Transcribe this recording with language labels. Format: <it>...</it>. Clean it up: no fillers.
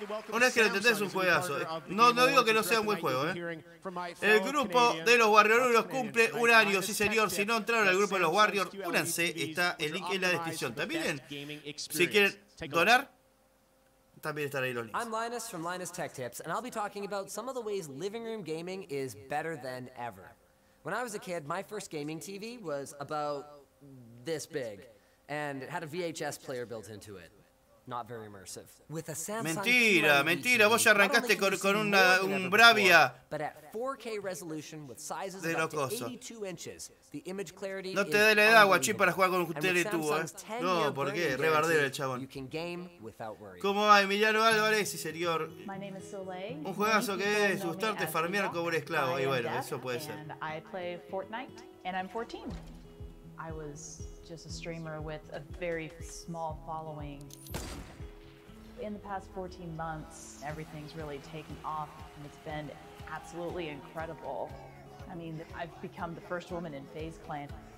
<es>Una vez que lo entendés, es un juegazo. No digo que no sea un buen juego, El grupo de los Warriors cumple un año. Sí, señor. Si no entraron al grupo de los Warriors, únanse. Está el link en la descripción. También, si quieren donar.</es> <en>I'm Linus from Linus Tech Tips, and I'll be talking about some of the ways living room gaming is better than ever. When I was a kid, my first gaming TV was about this big, and it had a VHS player built into it. Not very immersive. With a Samsung</en> <es>mentira, QLED mentira, TV, vos arrancaste con un Bravia.</es> <en>But at 4K resolution with sizes up to 82 inches, the image clarity</en> <es>no te dé la edad, guachín, para jugar con un teletubo, No, ¿por qué? Rebardero el chabón.</es> <en>You can game without worrying.</en> <es>¿Cómo va, Emiliano Álvarez y señor?</es> <en>My name is Soleil.</en> <es>Un juegazo que es gustarte farmear como un esclavo. Y bueno, eso puede ser.</es> <en>And I play Fortnite, and I'm 14. I was just a streamer with a very small following. In the past 14 months, everything's really taken off and it's been absolutely incredible. I mean, I've become the first woman in FaZe Clan.</en>